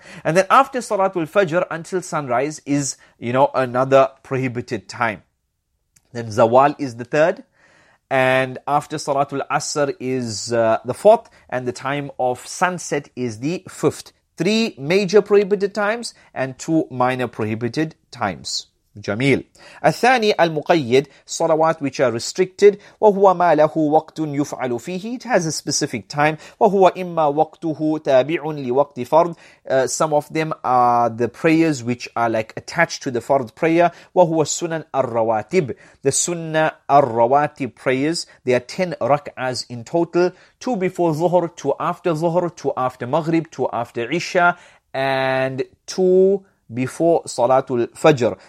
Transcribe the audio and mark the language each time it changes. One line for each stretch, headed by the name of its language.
English: And then after Salatul Fajr until sunrise is, another prohibited time. Then zawal is the third. And after Salatul Asr is the fourth. And the time of sunset is the fifth. Three major prohibited times and two minor prohibited times.
Arabic: جميل. الثاني المقيد صلوات
English: which are restricted
Arabic: وهو ما له وقت يفعل فيه.
English: It has a specific time.
Arabic: وهو إما وقته تابع لوقت فرض.
English: Some of them are the prayers which are like attached to the fard prayer.
Arabic: وهو السنن الرواتب.
English: The sunnah الرواتب prayers. They are 10 rak'ahs in total. 2 before ظهر, 2 after ظهر, 2 after مغرب, 2 after عشاء, and 2 before Salatul Fajr.